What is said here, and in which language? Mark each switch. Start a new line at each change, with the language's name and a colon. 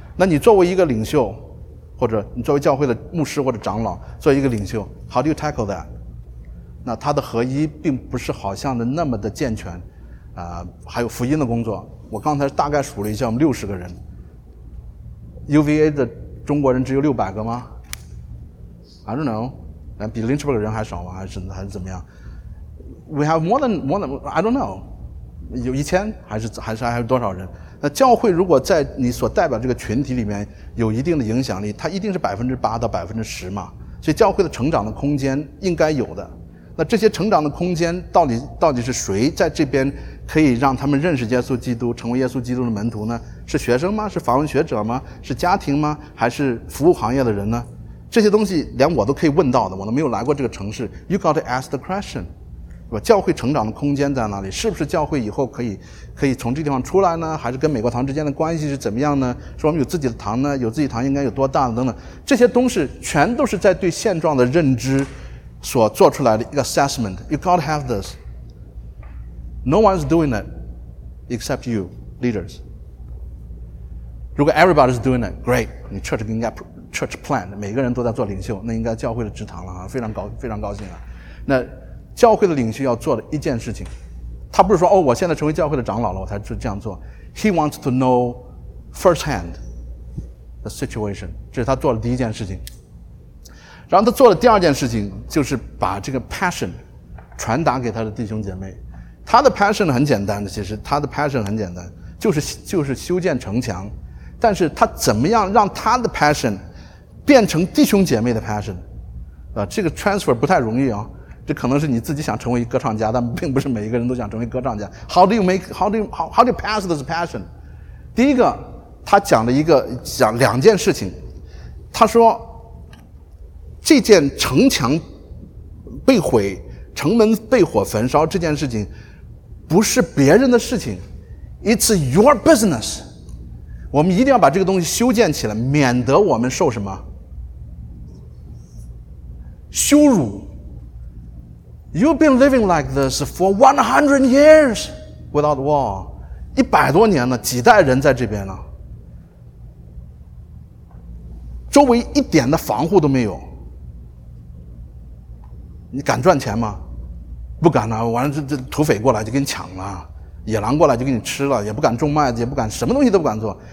Chinese: 那你作为一个领袖，或者你作为教会的牧师或者长老，作为一个领袖，
English: How do you tackle that?
Chinese: 那他的合一并不是好像的那么的健全，还有福音的工作，我刚才大概数了一下，我们60个人， UVA 的中国人只有600个吗？
English: I don't know，
Chinese: 比 Lynchburg 人还少吗？还是怎么样？
English: We have more than I don't know，
Chinese: 有1000还是多少人？那教会如果在你所代表这个群体里面有一定的影响力，它一定是8%到10%嘛，所以教会的成长的空间应该有的。那这些成长的空间到底是谁在这边可以让他们认识耶稣基督，成为耶稣基督的门徒呢？是学生吗？是访问学者吗？是家庭吗？还是服务行业的人呢？这些东西连我都可以问到的，我都没有来过这个城市。
English: You got to ask the question，
Chinese: 教会成长的空间在哪里？是不是教会以后可以从这地方出来呢？还是跟美国堂之间的关系是怎么样呢？说我们有自己的堂呢？有自己堂应该有多大等等，这些东西全都是在对现状的认知所做出来的一个 assessment。
English: You gotta have this. No one's doing it except you leaders.
Chinese: 如果
English: everybody's doing it, great,
Chinese: 你 church 应该 church plan, 每个人都在做领袖，那应该教会的职堂了，非常高兴啊。那教会的领袖要做的一件事情，他不是说哦，我现在成为教会的长老了我才这样做。
English: He wants to know first hand the situation，
Chinese: 这是他做的第一件事情。然后他做的第二件事情就是把这个 passion 传达给他的弟兄姐妹。他的 passion 很简单的，其实他的 passion 很简单，就是修建城墙。但是他怎么样让他的 passion 变成弟兄姐妹的 passion、这个 transfer 不太容易啊、哦。这可能是你自己想成为歌唱家，但并不是每一个人都想成为歌唱家。
English: How do you pass this passion?
Chinese: 第一个，他讲了一个讲两件事情。他说，这件城墙被毁，城门被火焚烧这件事情，不是别人的事情 ，
English: It's your business。
Chinese: 我们一定要把这个东西修建起来，免得我们受什么羞辱。
English: You've been living like this for 100 years without war.
Chinese: 100多年了，几代人在这边了，周围一点的防护都没有，你敢赚钱吗？不敢啊，完了这土匪过来就给你抢了，野狼过来就给你吃了，也不敢种麦子，也不敢什么东西都不敢做。